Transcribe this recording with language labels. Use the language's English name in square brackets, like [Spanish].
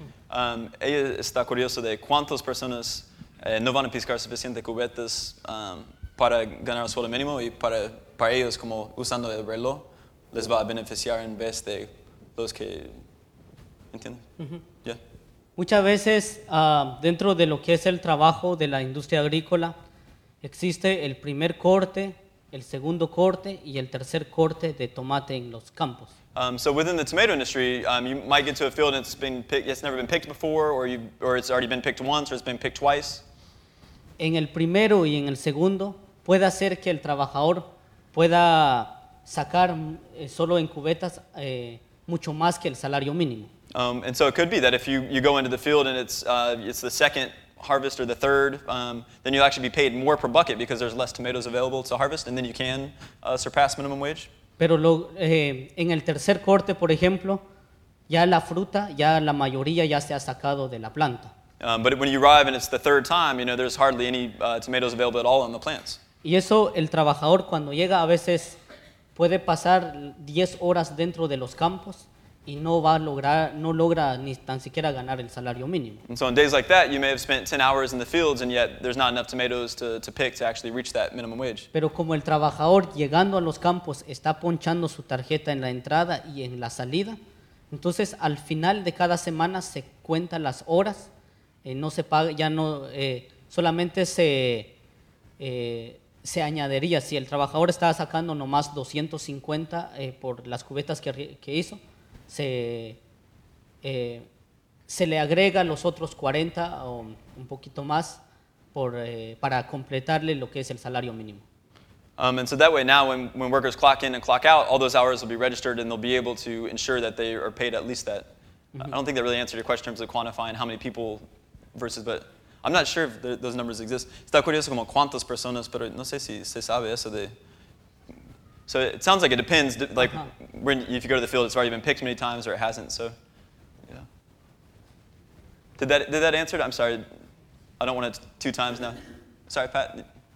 [Spanish] Ella está curioso de cuántas personas no van a piscar suficientes cubetas para ganar el sueldo mínimo y para ellos, como usando el reloj, les va a beneficiar en vez de los que... ¿Entiendes? Mm-hmm. Yeah. Muchas veces, dentro de lo que es el trabajo de la industria agrícola, existe el primer corte, el segundo corte y el tercer corte de tomate en los campos. [English] So within the tomato industry, you might get to a field and it's been picked, it's never been picked before, or it's already been picked once, or it's been picked twice. [Spanish] En el primero y en el segundo, puede hacer que el trabajador pueda sacar solo en cubetas mucho más que el salario mínimo. [English] And so it could be that if you go into the field and it's the second harvest or the third, then you'll actually be paid more per bucket because there's less tomatoes available to harvest, and then you can surpass minimum wage. [Spanish] Pero en el tercer corte, por ejemplo, ya la fruta, ya la mayoría ya se ha sacado de la planta. [English] But when you arrive and it's the third time, you know, there's hardly any tomatoes available at all on the plants. [Spanish] Y eso, el trabajador cuando llega a veces puede pasar 10 horas dentro de los campos y no va a lograr, no logra ni tan siquiera ganar el salario mínimo. [English] And so on days like that, you may have spent 10 hours in the fields and yet there's not enough tomatoes to pick to actually reach that minimum wage. [Spanish] Pero como el trabajador llegando a los campos está ponchando su tarjeta en la entrada y en la salida, entonces al final de cada semana se cuenta las horas, no se paga, ya no, solamente se añadiría, si el trabajador estaba sacando nomás 250 por las cubetas que hizo, se le agrega los otros 40 o un poquito más para completarle lo que es el salario mínimo. [English] And so that way now when workers clock in and clock out, all those hours will be registered and they'll be able to ensure that they are paid at least that. Mm-hmm. I don't think that really answered your question in terms of quantifying how many people versus, but I'm not sure if those numbers exist. [Spanish] Está curioso como cuántas personas, pero no sé si se sabe eso de... [English] So it sounds like it depends, like when, if you go to the field, it's already been picked many times or it hasn't, so, yeah. Did that answer it? I'm sorry, I don't want it two times now. Sorry, Pat.